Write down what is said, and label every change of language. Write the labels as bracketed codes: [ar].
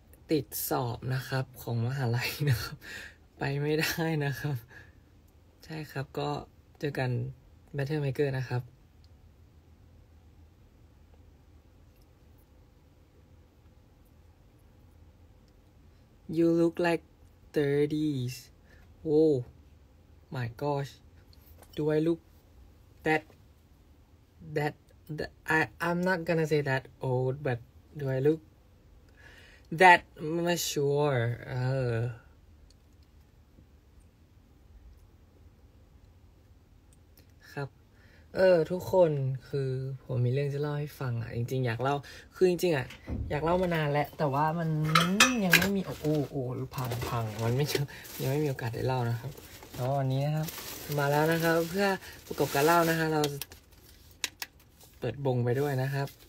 [th] ติดสอบนะครับของมหาลัยนะครับไปไม่ได้นะครับใช่ครับก็เจอกัน Matter Maker นะครับ You look like 30s. [en] Whoa, my gosh. Do I look I'm not gonna say that old, but do I look that mature? [th] ครับทุกคนคือผมมีเรื่องจะเล่าให้ฟังอ่ะจริงๆอยากเล่าคือจริงๆอ่ะอยากเล่ามานานแล้วแต่ว่ามันยังไม่มีโอ้พังมันไม่ยังไม่มีโอกาสได้เล่านะครับแล้ววันนี้นะครับมาแล้วนะครับเพื่อประกอบการเล่านะฮะเราเปิดบงไปด้วยนะครับ